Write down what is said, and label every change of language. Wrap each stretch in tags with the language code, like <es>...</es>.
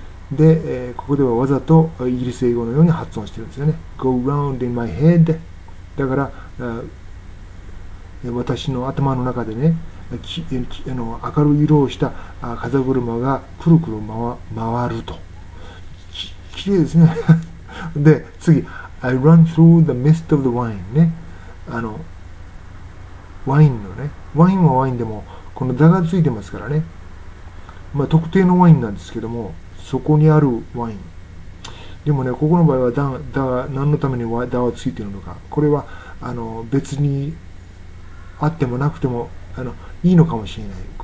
<ja>で、ここではわざとイギリス英語のように発音してるんですよね。</ja> <en>Go round in my head。</en> <ja>だから、私の頭の中でね、明るい色をした風車がくるくる回ると。きれいですね。で、次。</ja> <en>I run through the mist of the wine.</en> <ja>ね。あの、ワインのね。ワインはワインでも、この座がついてますからね。まあ、特定のワインなんですけども、そこにあるワイン。でもね、ここの場合は座が、何のために座がついているのか。これは、あの、別にあってもなくても、あの、いいのかもしれない。</ja>